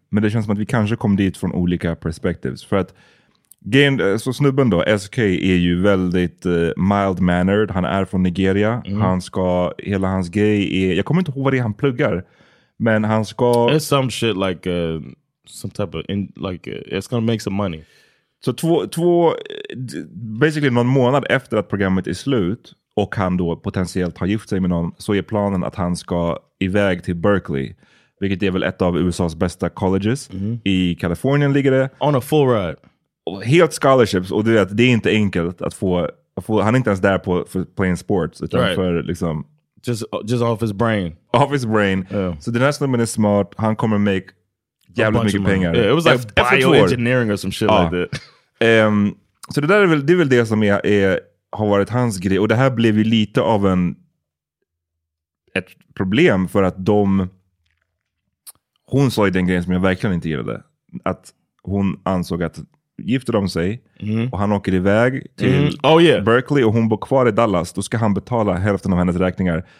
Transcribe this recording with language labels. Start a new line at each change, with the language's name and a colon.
Swedish: Men det känns som att vi kanske kom dit från olika perspektivs. För att så snubben då, SK, är ju väldigt mild-mannered. Han är från Nigeria. Mm. Han ska, hela hans grej är, jag kommer inte ihåg vad det är han pluggar. Men han ska...
English: It's some shit like, some type of, in, like, it's gonna make some money.
Swedish: Så basically någon månad efter att programmet är slut och han då potentiellt har gift sig med någon, så är planen att han ska iväg till Berkeley. Vilket är väl ett av USAs bästa colleges. Mm. I Kalifornien ligger det.
English: On a full ride.
Swedish: helt scholarships, och du vet, det är inte enkelt att få han är inte ens där på för
English: playing sports,
Swedish: utan right. för liksom
English: just off his brain. Off his brain. Yeah. So the national man is smart,
Swedish: han kommer make jävligt mycket pengar.
English: Yeah, it was like bioengineering or some shit like that.
Swedish: Så det där är väl det som är har varit hans grej, och det här blev ju lite av ett problem, för att hon sa ju den grejen som jag verkligen inte gillade, att hon ansåg att gifter de sig och han åker iväg till Berkeley och hon bor kvar i Dallas, då ska han betala hälften av hennes räkningar.